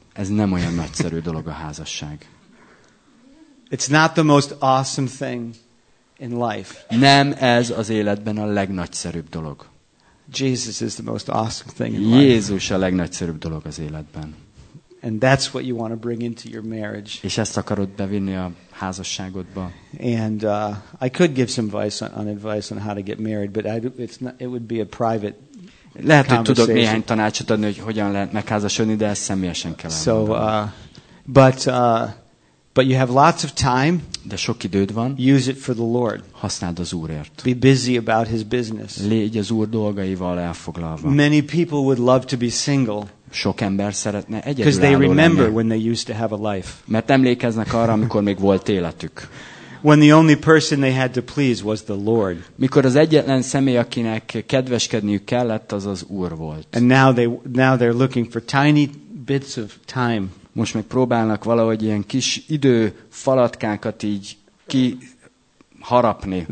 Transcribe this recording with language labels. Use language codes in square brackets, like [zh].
[hu] Ez nem olyan nagyszerű dolog a házasság. [en] It's not the most awesome thing in life. [hu] Nem ez az életben a legnagyszerűbb dolog. [en] Jesus is the most awesome thing in life. [hu] Jézus a legnagyszerűbb dolog az életben. [en] And that's what you want to bring into your marriage. [hu] És ezt akarod bevinni a házasságodba. [en] And I could give some advice on how to get married, but it would be a private. [hu] Lehet, hogy tudok néhány tanácsot adni, hogy hogyan lehet megházasodni, de ezt személyesen kell elmondani. [en] But you have lots of time. [hu] De sok időd van. [en] Use it for the Lord. [hu] Használd az Úrért. [en] Be busy about His business. [hu] Légy az Úr dolgaival elfoglalva. [en] Many people would love to be single. [hu] Sok ember szeretne egyedül lenni. [en] Because they remember when they used to have a life. [hu] Mert emlékeznek arra, amikor még volt életük. [en] When the only person they had to please was the Lord. [hu] Mikor az egyetlen személy, akinek kedveskedniük kellett, az az Úr volt. [en] And now they're looking for tiny bits of time. [hu] Most meg próbálnak valahogy ilyen kis idő falatkákat így kiharapni.